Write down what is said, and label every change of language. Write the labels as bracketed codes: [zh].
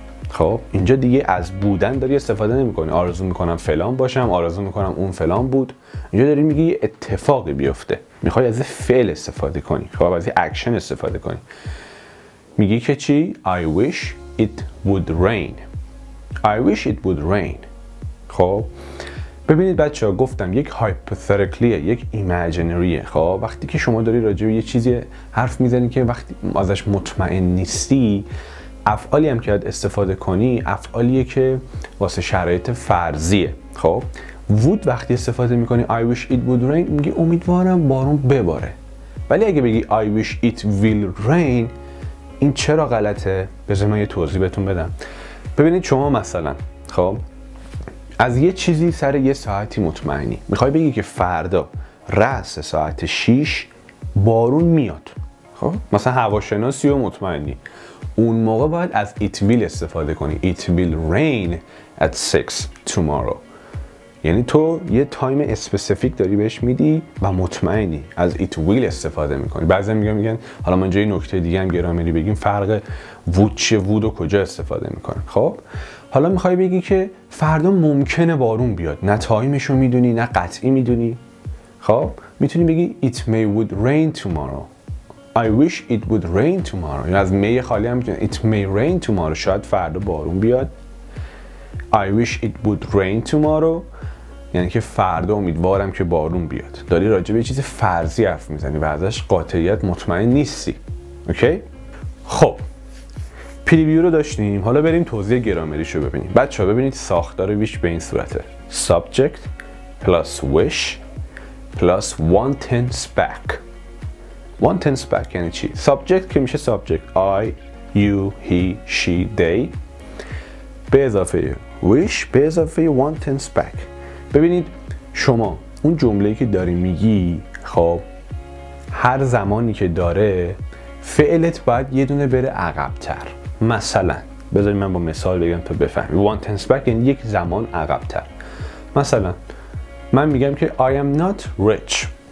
[fa] خب اینجا دیگه از بودن داری استفاده نمیکنی. آرزو میکنم فلان باشم، آرزو میکنم اون فلان بود. اینجا داری میگی یه اتفاقی بیفته. میخوای از فعل استفاده کنی. خب از اکشن استفاده کنی. میگی که چی؟ [en] I wish it would rain. I wish it would rain. [fa] خب ببینید بچه ها، گفتم یک هایپوتتریکلیه، یک ایمیجینریه. خب وقتی که شما داری راجع به یه چیزی حرف میزنی که وقتی ازش مطمئن نیستی، افعالی هم که باید استفاده کنی افعالیه که واسه شرایط فرضیه. خب would وقتی استفاده میکنی، [en] I wish it would rain، [fa] میگی امیدوارم بارون بباره. ولی اگه بگی [en] I wish it will rain، [fa] این چرا غلطه؟ بذار من یه توضیح بهتون بدم. ببینید شما مثلا خب از یه چیزی سر یه ساعتی مطمئنی، میخوای بگی که فردا رأس ساعت 6 بارون میاد. خب مثلا هواشناسی و مطمئنی، اون موقع باید از it will استفاده کنی. [en] It will rain at 6 tomorrow. [fa] یعنی تو یه تایم اسپسیفیک داری بهش میدی و مطمئنی، از it will استفاده میکنی. بعضی میگن حالا من جای نکته دیگه هم گرامری بگیم، فرق would چه would و کجا استفاده میکنه. خب حالا میخوای بگی که فردا ممکنه بارون بیاد، نه تایمش رو میدونی نه قطعی میدونی. خب میتونی بگی [en] it may would rain tomorrow. I wish it would rain tomorrow. [fa] یعنی از may خالی هم میتونی [en] it may rain tomorrow، [fa] شاید فردا بارون بیاد. [en] I wish it would rain tomorrow، [fa] یعنی که فردا امیدوارم که بارون بیاد. داری راجع به چیز فرضی حرف میزنی و ازش قاطعیت مطمئن نیستی. اوکی؟ خب پریویو رو داشتیم، حالا بریم توضیح گرامریشو ببینیم. بچه‌ها ببینید ساختار wish به این صورته: [en] subject plus wish plus one tense back. One tense back [fa] یعنی چی؟ subject که میشه subject [en] I, you, he, she, they، [fa] به اضافه wish، به اضافه one tense back. ببینید شما اون جمله‌ای که داری میگی، خب هر زمانی که داره فعلت باید یه دونه بره عقب‌تر. مثلا بذاری من با مثال بگم تا بفهمی. [en] Want tense back [fa] یعنی یک زمان عقب‌تر. مثلا من میگم که [en] I am not rich.